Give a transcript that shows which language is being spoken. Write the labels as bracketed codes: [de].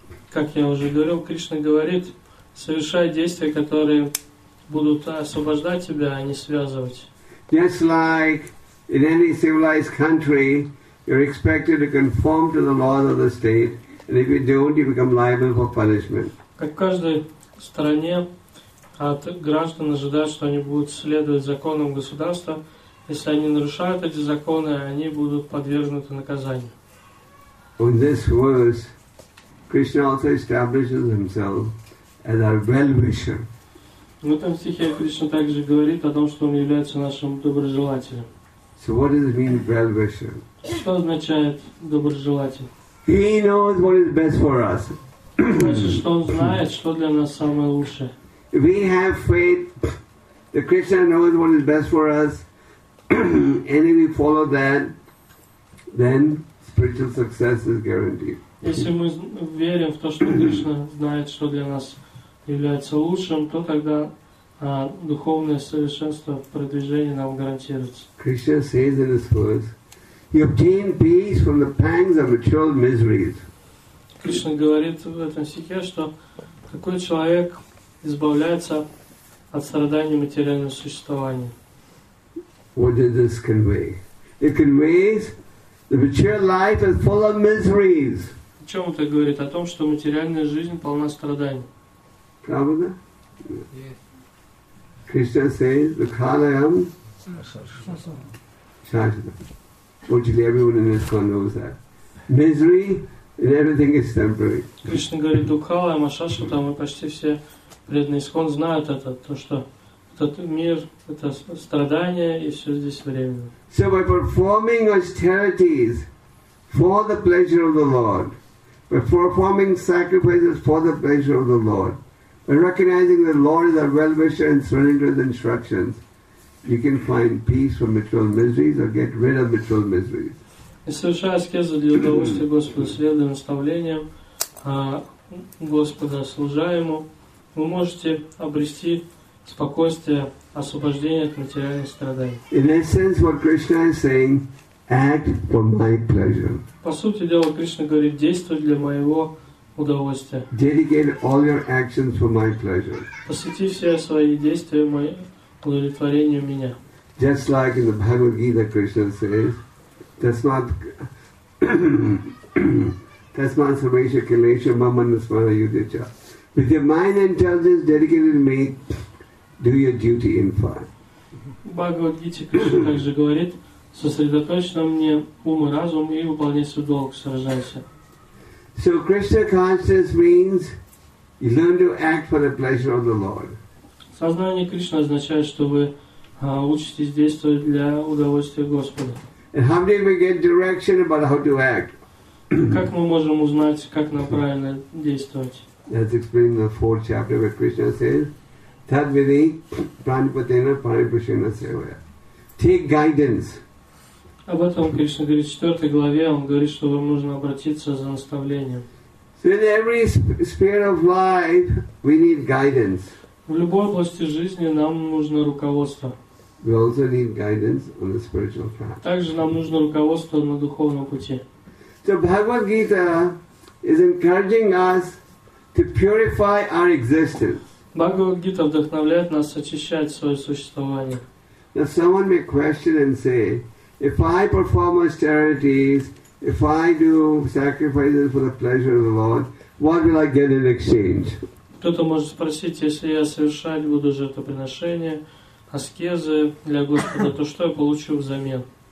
[ru] Как я уже говорил, Кришна говорит, совершай действия, которые будут освобождать тебя, а не связывать. [en] Just like in any civilized country, you're expected to conform to the laws of the state, and if you don't, you become liable for punishment. [ru] Как в каждой стране, от граждан ожидают, что они будут следовать законам государства. Если они нарушают эти законы, они будут подвергнуты наказанию. [en] On this verse, Krishna also establishes himself as our well-wisher. [ru] В этом стихе Кришна также говорит о том, что он является нашим доброжелателем. [en] So what does it mean, well-wisher? [ru] Что означает доброжелатель? [en] He knows what is best for us. [ru] Значит, что он знает, что для нас самое лучшее. [en] If we have faith that Krishna knows what is best for us, and if we follow that, then spiritual success is guaranteed. [ru] Если мы верим в то, что Кришна знает, что для нас является лучшим, то тогда духовное совершенство, продвижение нам гарантируется. [en] Krishna says in his words, you obtain peace from the pangs of material miseries. [ru] Кришна говорит в этом стихе, что какой человек избавляется от страданий материального существования. [en] What does this convey? It conveys that material life is full of miseries. [ru] О чем это говорит? О том, что материальная жизнь полна страданий. Правда? [en] Yes. Krishna says the kalayam. Fortunately, everyone in this world knows that. Misery and everything is temporary. [ru] Кришна говорит, Дукхала, Амашашвата, мы почти все преданные искон знают это, то, что этот мир, это страдание, и все здесь временно. [en] So by performing austerities for the pleasure of the Lord, by performing sacrifices for the pleasure of the Lord, by recognizing the Lord is our well-wisher and surrendering to His instructions, you can find peace from material miseries or get rid of material miseries. [ru] И совершая аскезу для удовольствия Господа, следуя наставлениям Господа, служа Ему, вы можете обрести спокойствие, освобождение от материальных страданий. [en] In essence, what Krishna is saying, act for my pleasure. [ru] По сути дела, Кришна говорит, действуй для моего удовольствия. Dedicate all your actions for my pleasure. Посвяти все свои действия моему удовлетворению меня. [en] Just like in the Bhagavad Gita, Krishna says, [sa] Tasmat Samesha Kalesha Mamanasmara Yudhicha. [en] With your mind and intelligence dedicated to me, do your duty in fine. [ru] Bhagavad Gita Krishna также говорит, сосредоточь на мне ум и разум и выполняй свой долг, сражайся. [en] So Krishna consciousness means you learn to act for the pleasure of the Lord. [ru] Сознание Кришны означает, что вы учитесь действовать для удовольствия Господа. [en] And how do we get direction about how to act? [ru] Как мы можем узнать, как нам правильно действовать? [en] That's explained in the fourth chapter where Krishna says, [sa] Tad vidhi pranipatena paripushena sevaya. [en] Take guidance. [ru] Об этом Кришна говорит в 4 главе, он говорит, что вам нужно обратиться за наставлением. [en] So in every sphere of life, we need guidance. [ru] В любой области жизни нам нужно руководство. [en] We also need guidance on the spiritual path. [ru] Также нам нужно руководство на духовном пути. [en] So Bhagavad Gita is encouraging us to purify our existence. [ru] Bhagavad Gita вдохновляет нас очищать свое существование. [en] Now someone may question and say, if I perform austerities, if I do sacrifices for the pleasure of the Lord, what will I get in exchange? [ru] Кто-то может спросить, если я совершать буду жертвоприношения, аскезы для Господа, то что я получу взамен?